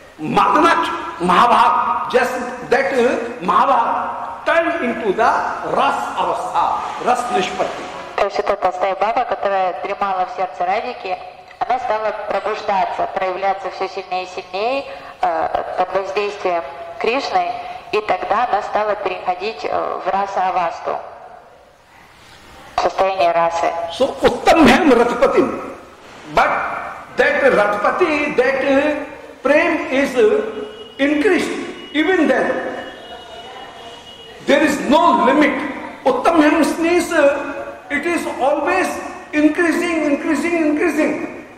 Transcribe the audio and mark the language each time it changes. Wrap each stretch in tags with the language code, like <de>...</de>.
<en>Madanat Mahabhav, just that Mahabhav turned into the Ras Avastha, Ras Nishpatti.</en> <ru>То есть эта толстая баба, которая дремала в сердце Радики, она стала пробуждаться, проявляться все сильнее и сильнее под воздействием Кришны, и тогда она стала переходить в Раса Авасту, в состояние расы.</ru> <en>So, Uttamhyam Ratpati. But that Ratpati, that prem is increased. Even then, there is no limit. Uttamhyam means it is always increasing, increasing, increasing.</en>